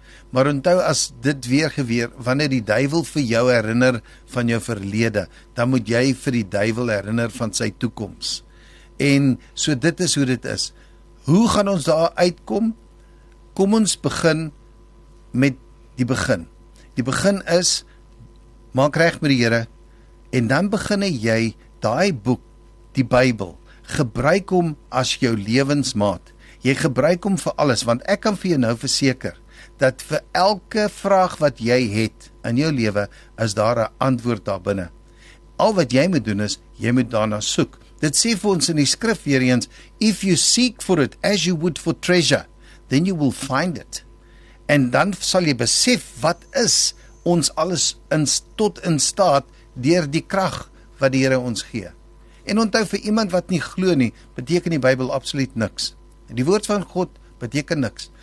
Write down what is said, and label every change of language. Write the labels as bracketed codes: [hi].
[af] Maar onthou as dit weer gebeur, wanneer die duivel vir jou herinner van jou verlede, dan moet jy vir die duivel herinner van sy toekoms. En so dit is hoe dit is. Hoe gaan ons daar uitkom? Kom ons begin met die begin. Die begin is, maak reg met die Here, en dan begin jy daai boek, die Bybel, gebruik hom as jou lewensmaat. Jy gebruik hom vir alles, want ek kan vir jou nou verseker, dat vir elke vraag wat jy het in jou lewe, is daar 'n antwoord daar binne. Al wat jy moet doen is, jy moet daarna soek. Dit sê vir ons in die skrif weer eens, [en] if you seek for it as you would for treasure, then you will find it. [af] En dan sal jy besef wat is ons alles tot in staat deur die krag wat die Here ons gee. En onthou, vir iemand wat nie glo nie, beteken die Bybel absoluut niks. Die woord van God beteken niks.